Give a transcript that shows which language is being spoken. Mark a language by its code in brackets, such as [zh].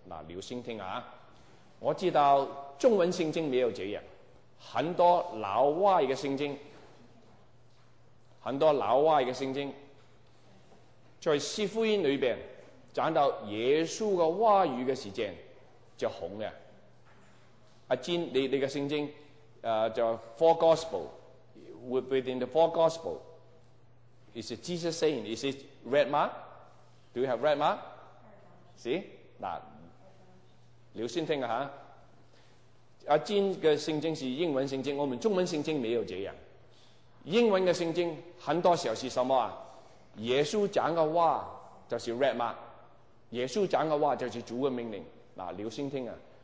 [zh] 那留心听啊，我知道中文圣经没有这样，很多老外的圣经，很多老外的圣经在四福音里边讲到耶稣的话语的时间就红了，阿坚，你嘅圣经就 [en] four gospel within the four gospel is it Jesus saying is it red mark? Do you have red mark? [zh] See 嗱，你要先听啊吓。阿坚嘅圣经是英文圣经，我们中文圣经没有这样。英文嘅圣经很多时候是什么啊？耶稣讲嘅话就是 red mark， 耶稣讲嘅话就是主嘅命令。嗱，你要先听啊。